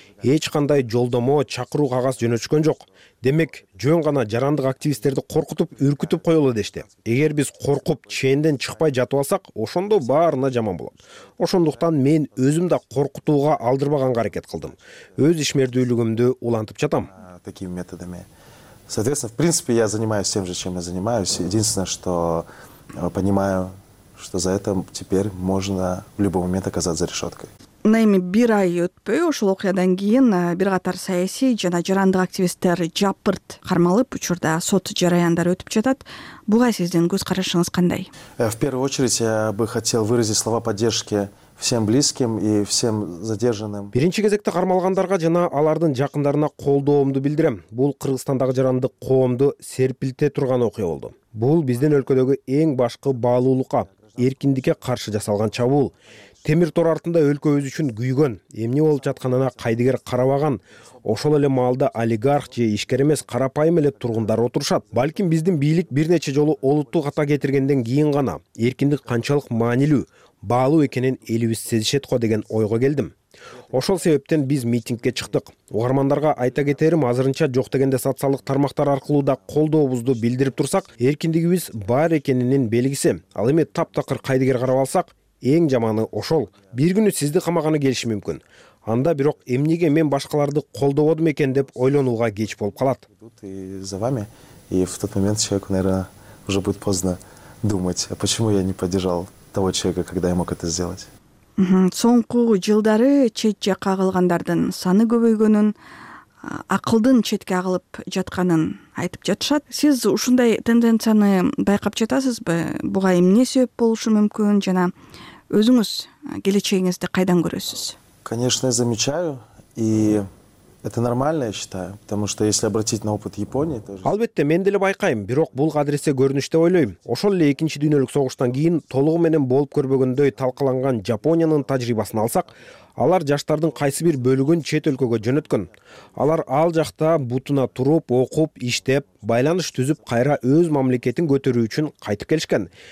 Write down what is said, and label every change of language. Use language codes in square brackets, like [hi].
[ky] Эч кандай жолдомо, чакыруу кагаз жөнөтүшкөн жок. Демек, жөн гана жарандык активисттерди коркутуп, үркүтүп коёлу дешти. Эгер биз коркуп, чээнден чыкпай жатып алсак, ошондо баарына жаман болот. Ошондуктан мен өзүм да коркутууга алдырбаганга аракет кылдым. Өз ишмердүүлүгүмдү улантып жатам. [ru] Такими методами. Соответственно, в принципе, я занимаюсь тем же, чем я занимаюсь. Единственное, что понимаю, что за это теперь можно в любой момент оказаться за решеткой. [ky] Эми бир ай өтпөй ошол окуядан кийин бир катар саясий жана жарандык активисттер жапырт кармалып, учурда сот жараяндары өтүп жатат. Буга сиздин көз карашыңыз кандай? [ru] В первую очередь я бы хотел выразить слова поддержки всем близким и всем задержанным. [ky] Биринчи кезекте кармалгандарга жана алардын жакындарына колдоомду билдирем. Бул Кыргызстандагы жарандык коомду серпилте турган окуя болду. Бул биздин өлкөдөгү эң башкы баалуулукка, эркиндикке каршы жасалган чабуул. Темир тор артында өлкөбүз үчүн күйгөн, эмне болуп жатканына кайдыгер карабаган, ошол эле маалда олигарх же ишкер эмес карапайым эле тургундар отурушат. Балким биздин бийлик бир нече жолу олуттуу ката кетиргенден кийин гана эркиндик канчалык маанилүү, баалуу экенин элибиз сезишет го деген ойго келдим. Ошол себептен биз митингге чыктык. Угармандарга айта кетерим, азырынча жок дегенде социалдык тармактар аркылуу да колдообузду билдирип турсак, эркиндигибиз бар экенинин белгиси. Ал эми таптакыр кайдыгер карап алсак, эң жаманы ошол. Бир күнү сизди камаганы келиши мүмкүн. Анда бирок эмнеге мен башкаларды колдободум экен деп ойлонууга кеч болуп калат. [ru] За вами, и в тот момент человеку, наверное, уже будет поздно думать, а почему я не поддержал того человека, когда я мог это сделать. [ky] Соңку жылдары чет жакка кагылгандардын саны көбөйгөнүн, акылдын четке агылып жатканын айтып жатышат. Сиз ушундай тенденцияны байкап жатасызбы? Буга эмне себеп болушу мүмкүн жана өзүңүз келечегиңизди кайдан көрөсүз? [ru] Конечно, я замечаю, и это нормально, я считаю, потому что если обратить на опыт Японии, то [ky] албетте мен деле байкайм, бирок бул кадресе көрүнүштө ойлойм. Ошол эле 2-чи дүйнөлүк согуштан кийин толугу менен болуп көрбөгөндөй талкаланган Жапониянын тажрыйбасын алсак, алар жаштардын кайсы бир бөлүгүн чет өлкөгө жөнөткөн. Алар ал жакта бутуна туруп, окуп, иштеп, байланыш түзүп, кайра өз мамлекетин көтөрүү үчүн кайтып келишкен.